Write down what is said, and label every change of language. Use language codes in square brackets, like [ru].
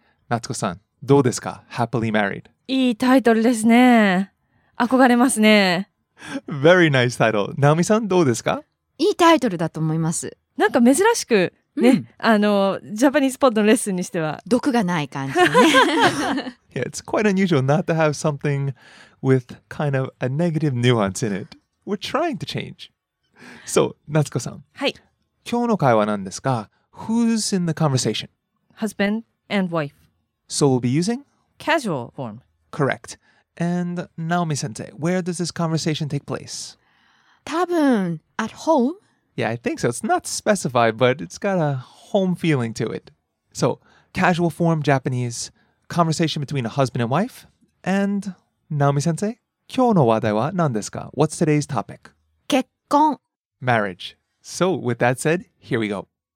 [ja] 夏子さん、どうですか? [en] Happily Married. [ja] いいタイトルですね。憧れますね。 [en] Very nice title. [ja] ナオミさん、どうですか? いいタイトルだと思います。なんか珍しく、ね、ジャパニーズポッドのレッスンにしては。毒がない感じ、ね。 [en] Yeah, it's quite unusual not to have something with kind of a negative nuance in it. We're trying to change. So, Natsuko-san. Hi. [ja] 今日の会話なんですが、 [en] Who's in the conversation? Husband and wife. So we'll be using? Casual form. Correct. And Naomi-sensei, where does this conversation take place? [ja] 多分 [en] at home. Yeah, I think so. It's not specified, but it's got a home feeling to it. So, casual form Japanese, conversation between a husband and wife. [ja] And Naomi-sensei, 今日の話題は何ですか? [en] What's today's topic? Marriage. So, with that said, here we go.